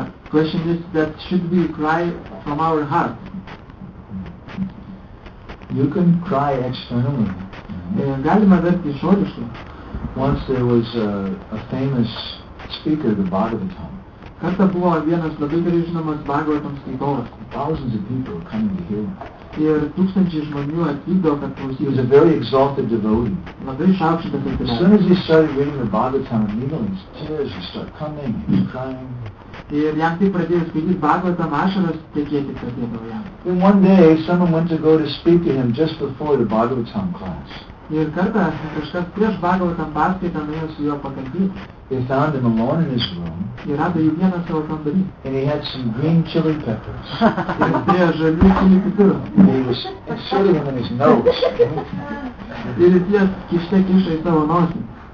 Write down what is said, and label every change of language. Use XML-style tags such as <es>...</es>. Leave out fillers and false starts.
<en>Question is that should we cry from our heart? You can cry externally.</en> <lt>Galima verkti išoriškai.</lt> <en>Once there was a famous speaker, the Bhagavatam.</en> <lt>Kartą buvo vienas labai gerai žinomas Bhagavatam skaitovas.</lt> <en>Thousands of people were coming to hear him.</en> <lt>Ir tūkstančiai žmonių atvykdavo, kad klausyti.</lt> <en>He was a very exalted devotee.</en> <lt>Labai išaukštas intelektas.</lt> <en>As soon as he started reading the Bhagavatam and kneeling, his tears would start coming, he was crying.</en> <lt>Ir jam tai pradėjo skaityti Bhagavatam, ašaras tekėti pradėdavo jam.</lt> <en>Then one day, someone went to go to speak to him just before the Bhagavatam class.</en> <lt>Ir kartą kažkas prieš Bhagavatam paskaitą nuėjo su juo pakalbėti.</lt> <en>They found him alone in his room.</en> <lt>Jį rado jų vieną savo kambarį.</lt> <en>And he had some green chili peppers.</en> <lt>Ir prie žalių chili pipirų.</lt> <en>And he was inserting them in his nose.</en> <lt>Ir jie kišta kiša į savo nosį.</lt>